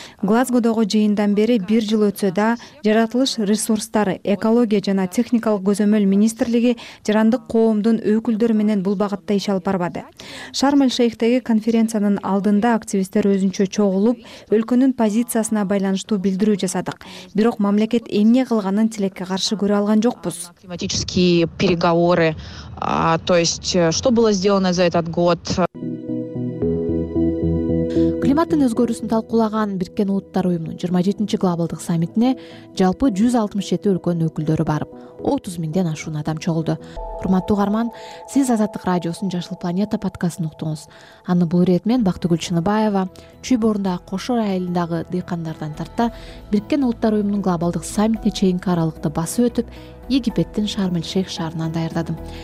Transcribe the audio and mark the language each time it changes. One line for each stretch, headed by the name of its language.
Kyrgyz: Глазгодогу жыйындан бери бир жыл өтсө да, жаратылыш ресурстары, экология жана техникалык көзөмөл министрлиги жарандык коомдун өкүлдөрү менен бул багытта иш алып барбады. Шарм-эль-Шейхтеги конференциянын алдында активисттер өзүнчө чогулуп, өлкөнүн позициясына байланыштуу билдирүү жасадык. Бирок мамлекет эмне кылганын тилекке каршы көрө алган жокпуз.
Russian: Климатические переговоры, то есть, что было сделано за этот год?
Kyrgyz: Климаттын өзгөрүүсүн талкуулаган Бириккен Улуттар Уюмунун 27-чи глобалдык саммитине жалпы 167 өлкөнүн өкүлдөрү барып, 30 000 ашуун адам чогулду. Урматтуу каарман, сиз Азаттык радиосунун Жашыл планета подкастын уктуңуз. Аны бул ирет мен Бактыгүл Чыныбаева, Чүй Борундагы Кошор айылындагы дыйкандардан тарта Бириккен Улуттар Уюмунун глобалдык саммитине чейинки аралыкты басып өтүп, Египеттин Шарм-эль-Шейх шаарынан даярдадым.